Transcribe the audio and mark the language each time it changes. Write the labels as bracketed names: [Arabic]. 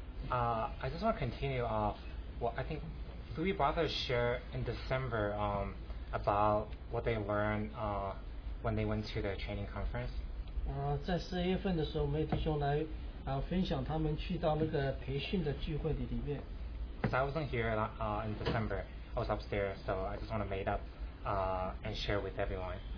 [English] I just want to continue what I think three brothers share in December about what they learned when they went to the training conference. [Chinese] 在四月份的时候，我们弟兄来分享他们去到那个培训的聚会里面。 [English] Because I wasn't here in December, I was upstairs, so I just want to meet up and share with everyone.